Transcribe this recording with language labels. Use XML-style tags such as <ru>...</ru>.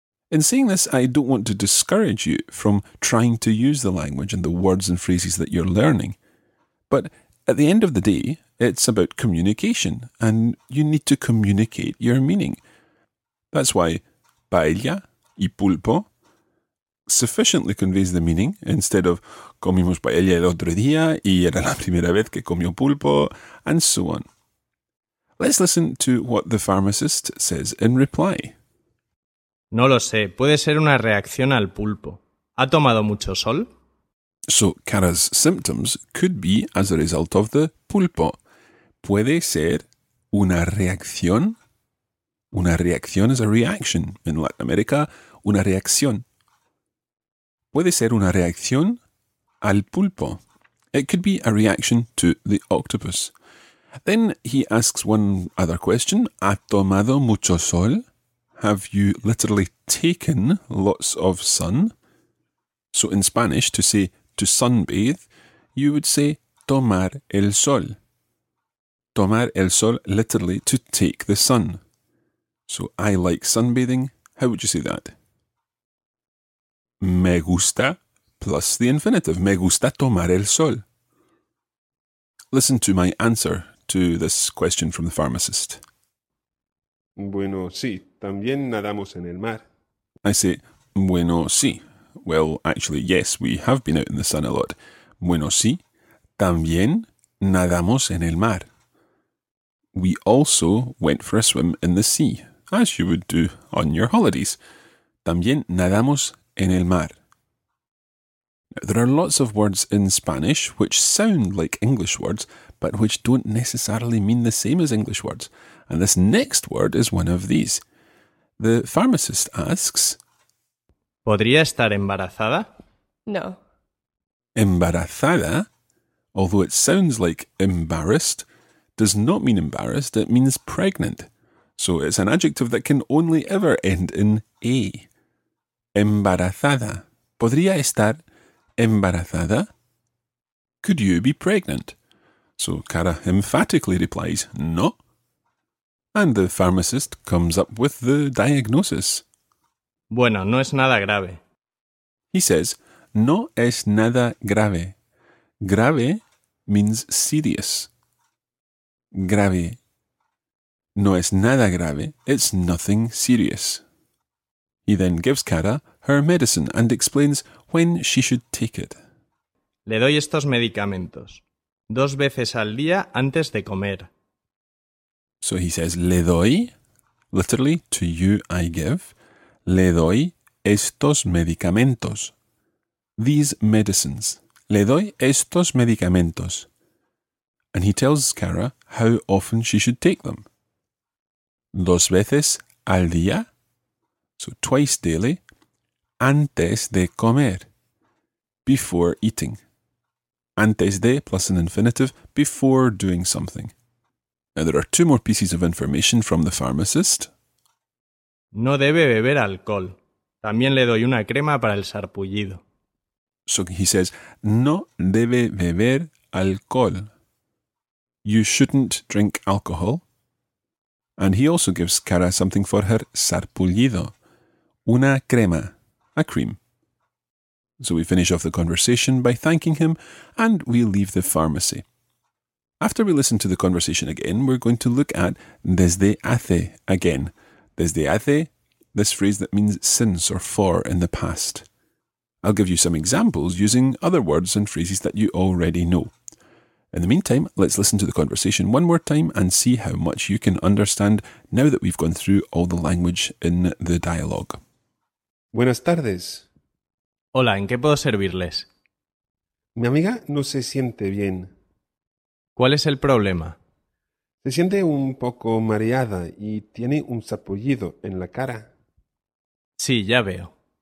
<en>In saying this, I don't want to discourage you from trying to use the language and the words and phrases that you're learning. But at the end of the day, it's about communication, and you need to communicate your meaning. That's why</en> <es>paella y pulpo</es> <en>sufficiently conveys the meaning. Instead of</en> <es>comimos paella el otro día y era la primera vez que comió pulpo,</es> <en>and so on. Let's listen to what the pharmacist says in reply.</en> <es>No lo sé. Puede ser una reacción al pulpo. ¿Ha tomado mucho sol?</es> <en>So Cara's symptoms could be as a result of the pulpo.</en> <es>Puede ser una reacción. Una reacción</es> <en>is a reaction in Latin America.</en> <es>Una reacción. Puede ser una reacción al pulpo.</es> <en>It could be a reaction to the octopus. Then he asks one other question.</en> <es>¿Ha tomado mucho sol?</es> <en>Have you literally taken lots of sun? So in Spanish, to say to sunbathe, you would say</en> <es>tomar el sol. Tomar el sol,</es> <en>literally to take the sun. So I like sunbathing. How would you say that?</en> <es>Me gusta,</es> <en>plus the infinitive.</en> <es>Me gusta tomar el sol.</es> <en>Listen to my answer to this question from the pharmacist.</en> <es>Bueno, sí, también nadamos en el mar.</es> <en>I say,</en> <es>bueno, sí.</es> <en>Well, actually, yes, we have been out in the sun a lot.</en> <es>Bueno, sí, también nadamos en el mar.</es> <en>We also went for a swim in the sea, as you would do on your holidays.</en> <es>También nadamos en el mar.</es> <en>Now, there are lots of words in Spanish which sound like English words, but which don't necessarily mean the same as English words. And this next word is one of these. The pharmacist asks,</en> <es>¿Podría estar embarazada? No.</es> <en>Embarazada, although it sounds like embarrassed, does not mean embarrassed, it means pregnant. So it's an adjective that can only ever end in A.</en> <es>Embarazada. ¿Podría estar embarazada?</es> <en>Could you be pregnant? So Cara emphatically replies, no. And the pharmacist comes up with the diagnosis.</en> <es>Bueno, no es nada grave.</es> <en>He says,</en> <es>no es nada grave.</es> <en>Grave means serious. Grave.</en> <es>No es nada grave.</es> <en>It's nothing serious. He then gives Cara her medicine and explains when she should take it.</en> <es>Le doy estos medicamentos. Dos veces al día antes de comer.</es> <en>So he says, le doy, literally, to you I give,</en> <es>le doy estos medicamentos.</es> <en>These medicines.</en> <es>Le doy estos medicamentos.</es> <en>And he tells Cara how often she should take them.</en> <es>Dos veces al día.</es> <en>So twice daily.</en> <es>Antes de comer.</es> <en>Before eating. Antes de plus an infinitive. Before doing something. Now there are two more pieces of information from the pharmacist.</en> <es>No debe beber alcohol. También le doy una crema para el sarpullido.</es> <en>So he says,</en> <es>no debe beber alcohol.</es> <en>You shouldn't drink alcohol. And he also gives Cara something for her sarpullido.</en> <es>Una crema.</es> <en>A cream. So we finish off the conversation by thanking him and we leave the pharmacy. After we listen to the conversation again, we're going to look at desde hace again. Desde hace, this phrase that means since or for in the past. I'll give you some examples using other words and phrases that you already know. In the meantime, let's listen to the conversation one more time and see how much you can understand now that we've gone through all the language in the dialogue.</en> <es>Buenas tardes. Hola, ¿en qué puedo servirles? Mi amiga no se siente bien. ¿Cuál es el problema? Se siente un poco mareada y tiene un sarpullido en la cara. Sí, ya veo.</es>